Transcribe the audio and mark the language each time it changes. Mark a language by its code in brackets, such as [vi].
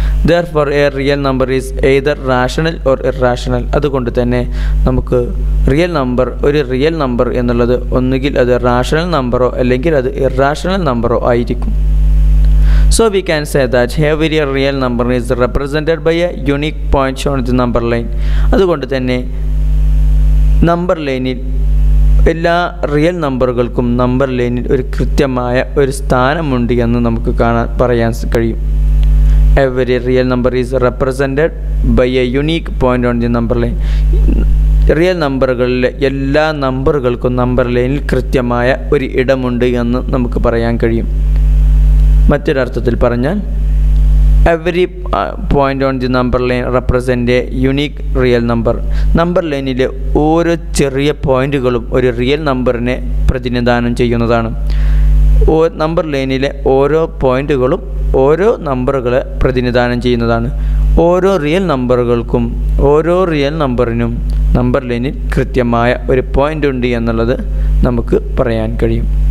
[en] Therefore, a real number is either rational or irrational. [ml] അതുകൊണ്ട് തന്നെ നമുക്ക് റിയൽ നമ്പർ ഒരു റിയൽ നമ്പർ എന്നുള്ളത് ഒന്നുകിൽ അത് റാഷണൽ നമ്പറോ അല്ലെങ്കിൽ അത് ഇറാഷണൽ നമ്പറോ ആയിരിക്കും. [en] So we can say that every real number is represented by a unique point on the number line. [ml] അതുകൊണ്ട് തന്നെ നമ്പർ ലൈനിൽ എല്ലാ റിയൽ നമ്പറുകൾക്കും നമ്പർ ലൈനിൽ ഒരു കൃത്യമായ ഒരു സ്ഥാനമുണ്ട് എന്ന് നമുക്ക് പറയാൻ കഴിയും. [en] Every real number is represented by a unique point on the number line. [ml] Real നമ്പറുകളിലെ എല്ലാ നമ്പറുകൾക്കും നമ്പർ ലൈനിൽ കൃത്യമായ ഒരു ഇടമുണ്ട് എന്ന് നമുക്ക് പറയാൻ കഴിയും. മറ്റൊരർത്ഥത്തിൽ പറഞ്ഞാൽ [en] every point on the number line represents a unique real number. [ml] Number ലൈനിലെ ഓരോ ചെറിയ പോയിൻ്റുകളും ഒരു റിയൽ നമ്പറിനെ പ്രതിനിധാനം ചെയ്യുന്നതാണ്. നമ്പർ ലൈനിലെ ഓരോ പോയിൻ്റുകളും ഓരോ നമ്പറുകളെ പ്രതിനിധാനം ചെയ്യുന്നതാണ്. ഓരോ റിയൽ നമ്പറുകൾക്കും ഓരോ റിയൽ നമ്പറിനും നമ്പർ ലൈനിൽ കൃത്യമായ ഒരു പോയിൻ്റ് ഉണ്ട് എന്നുള്ളത് നമുക്ക് പറയാൻ കഴിയും.